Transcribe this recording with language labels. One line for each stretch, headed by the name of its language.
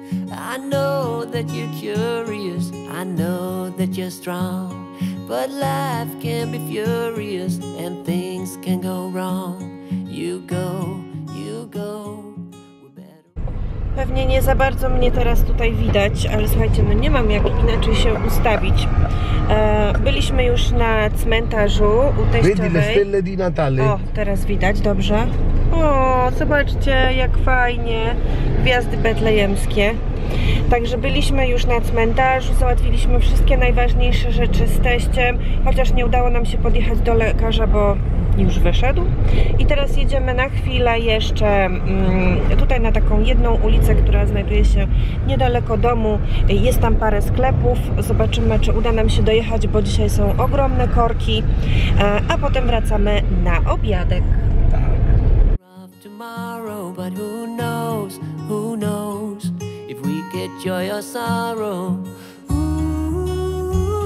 English: I know that you're curious, I know that you're strong, but life can be furious and things can go wrong. You go, you go.
Polish: Pewnie nie za bardzo mnie teraz tutaj widać, ale słuchajcie, no nie mam jak inaczej się ustawić. Byliśmy już na cmentarzu u teściowej. O, teraz widać, dobrze. O, zobaczcie jak fajnie, gwiazdy betlejemskie. Także byliśmy już na cmentarzu, załatwiliśmy wszystkie najważniejsze rzeczy z teściem, chociaż nie udało nam się podjechać do lekarza, bo już wyszedł. I teraz jedziemy na chwilę jeszcze tutaj na taką jedną ulicę, która znajduje się niedaleko domu. Jest tam parę sklepów, zobaczymy czy uda nam się dojechać, bo dzisiaj są ogromne korki, a potem wracamy na obiadek.
English: Tomorrow, but who knows if we get joy or sorrow. Ooh.